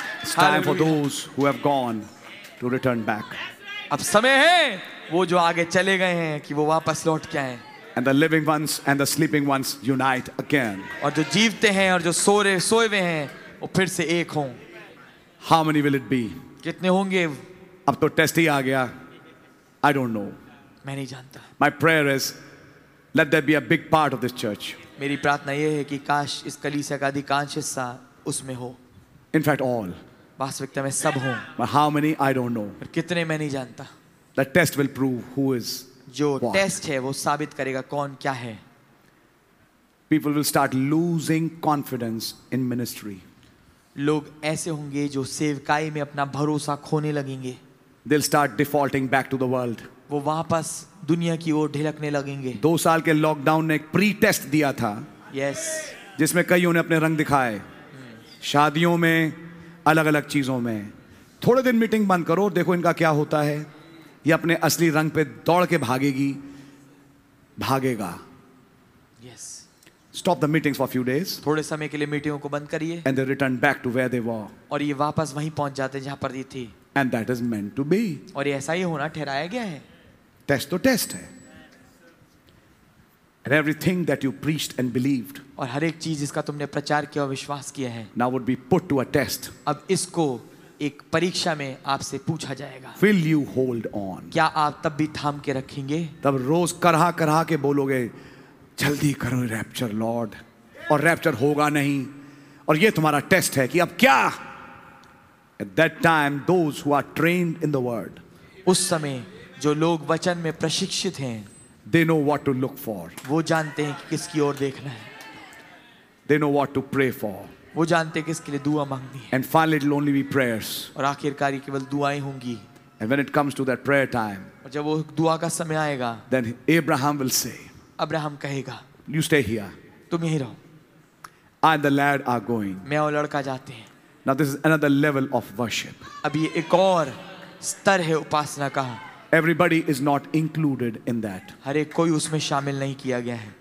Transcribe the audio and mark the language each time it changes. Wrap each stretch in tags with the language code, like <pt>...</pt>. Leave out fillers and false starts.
<en>It's time for those who have gone to return back.</en> <hi>अब समय है वो जो आगे चले गए हैं कि वो वापस लौट के आएं.</hi> <en>And the living ones and the sleeping ones unite again.</en> <hi>और जो जीवते हैं और जो सो रहे सोए हुए हैं वो फिर से एक हों.</hi> <en>How many will it be?</en> <hi>कितने होंगे? अब तो टेस्ट ही आ गया.</hi> <en>I don't know.</en> <hi>मैं नहीं जानता.</hi> <en>My prayer is, let there be a big part of this church.</en> <hi>मेरी प्रार्थना ये है कि काश इस कलीसिया का अधिकांश हिस्सा उसमें हो.</hi> <en>In fact, all.</en> <hi>वास्तविकता में सब हों.</hi> <en>But how many? I don't know.</en> <hi>कितने मैं नहीं जानता.</hi> <en>The test will prove who is.</en> <hi>जो टेस्ट है वो साबित करेगा कौन क्या है</hi> <en>people will start losing confidence in ministry</en> <hi>लोग ऐसे होंगे जो सेवकाई में अपना भरोसा खोने लगेंगे</hi> <en>they will start defaulting back to the world</en> <hi>वो वापस दुनिया की ओर ढिलकने लगेंगे दो साल के लॉकडाउन ने एक प्री टेस्ट दिया था</hi> <en>yes.</en> <hi>जिसमें कईयों ने अपने रंग दिखाए शादियों में अलग अलग चीजों में थोड़े दिन मीटिंग बंद करो देखो इनका क्या होता है ये अपने असली रंग पे दौड़ के भागेगी भागेगा</hi> <en>yes. Stop the meetings for a few days,</en> <hi>थोड़े समय के लिए मीटिंगों को बंद करिए</hi> <en>and they return back to where they were.</en> <hi>और ये वापस वहीं पहुंच जाते हैं जहां पर ये थे</hi> <en>and that is meant to be.</en> <hi>और ये ऐसा ही होना ठहराया गया है टेस्ट तो टेस्ट है</hi> <en>and everything that you preached and believed,</en> <hi>और हर एक चीज जिसका तुमने प्रचार किया और विश्वास किया है</hi> <en>now would be put to a test.</en> <hi>अब इसको एक परीक्षा में आपसे पूछा जाएगा</hi> <en>Will you hold on?</en> <hi>क्या आप तब भी थाम के रखेंगे तब रोज करहा करहा के बोलोगे जल्दी करो रैप्चर लॉर्ड और रैप्चर होगा नहीं और ये तुम्हारा टेस्ट है कि अब क्या</hi> <en>At that time, those who are trained in the word,</en> <hi>उस समय जो लोग वचन में प्रशिक्षित हैं</hi> <en>they know what to look for.</en> <hi>वो जानते हैं कि किसकी ओर देखना है</hi> <en>they know what to pray for.</en> <hi>वो जानते हैं किसके लिए दुआ मांगनी</hi> <en>है। And finally, it'll only be prayers.</en> <hi>और आखिरकार केवल दुआएं होंगी।</hi> <en>And when it comes to that prayer time,</en> <hi>और जब वो दुआ का समय आएगा,</hi> <en>then Abraham will say,</en> <hi>Abraham कहेगा,</hi> <en>You stay here.</en> <hi>तुम यहीं रहो।</hi> <en>I and the lad are going.</en> <hi>मैं और लड़का जाते हैं।</hi> <en>Now this is another level of worship.</en> <hi>अब ये एक और स्तर है उपासना का।</hi> <en>Everybody is not included in that.</en> <hi>हर एक कोई उसमें शामिल नहीं किया गया है.</hi>